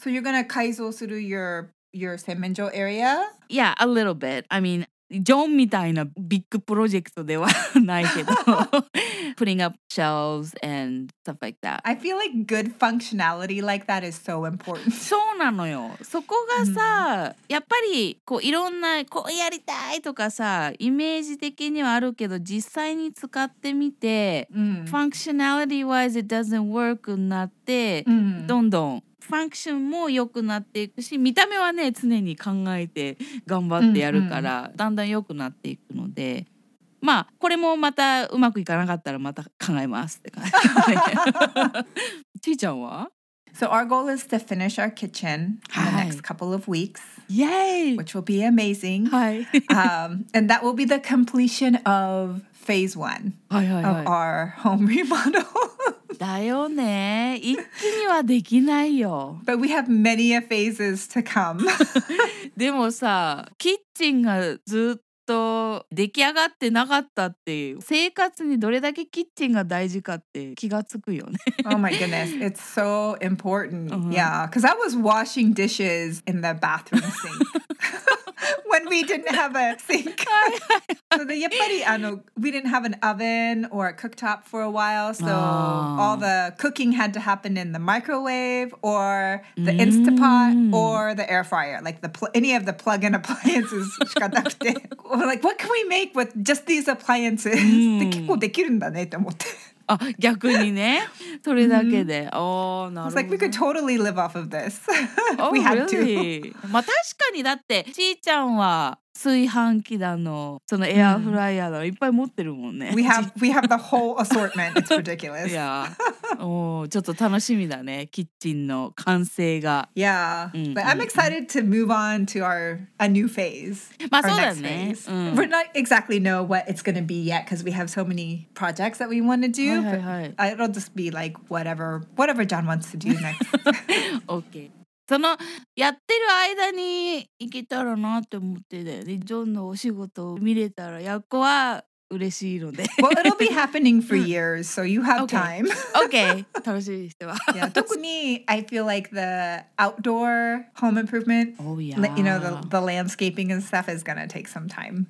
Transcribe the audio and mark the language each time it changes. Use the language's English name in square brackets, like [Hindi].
[English] So you're gonna 改造する your 洗面所 area? Yeah, a little bit. I mean, [Japanese] ジョンみたいなビッグプロジェクトではないけど [English] putting up shelves and stuff like that. I feel like good functionality like that is so important. [Japanese] そうなのよ。そこがさ、やっぱりこういろんなこうやりたいとかさ、イメージ的にはあるけど実際に使ってみて、 [English] functionality wise it doesn't work [Japanese] になって、どんどんファンクションも良くなっていくし、見た目はね常に考えて頑張ってやるから、だんだん良くなっていくので、まあこれもまたうまくいかなかったらまた考えますって感じ。ちーちゃんは？ [English] So our goal is to finish our kitchen in the next couple of weeks. Yay! Which will be amazing. and that will be the completion of phase one of our home remodel. [Japanese] だよね。一気にはできないよ。 [English] But we have many a phases to come. [Japanese] でもさ、キッチンがずっと出来上がってなかったっていう、生活にどれだけキッチンが大事かって気がつくよね。 [English] Oh my goodness, it's so important. Yeah, because I was washing dishes in the bathroom sink. When we didn't have a sink. So the, やっぱりあの we didn't have an oven or a cooktop for a while. So all the cooking had to happen in the microwave or the Instapot or the air fryer. Like any of the plug-in appliances [Japanese] しかなくて。 [English] We're like, what can we make with just these appliances? [Japanese] で、結構できるんだねって思って。あ、逆にね。それだけで。おー、なるほど。 [English] It's like, we could totally live off of this. Oh, we had to. Really? [Japanese] まあ確かに、だって、ちーちゃんは炊飯器だの、そのエアフライヤーだの、いっぱい持ってるもんね。 [English] We have the whole assortment. It's ridiculous. Yeah. [Japanese] おー、ちょっと楽しみだね。キッチンの完成が。 [English] Yeah. But I'm excited to move on to a new phase. [Japanese] まあそうだね。 [English] We're not exactly know what it's going to be yet because we have so many projects that we want to do. [Japanese] はいはい、 [English] It'll just be like whatever John wants to do next. Okay. [Japanese] そのやってる間に行けたらなって思ってたよね。ジョンのお仕事を見れたらやっこは嬉しいので。 [English] Well, it'll be happening for years, so you have time. [Japanese] Okay. 楽しみにしては。 [English] 特に、I feel like the outdoor home improvement, you know, the landscaping and stuff is gonna take some time.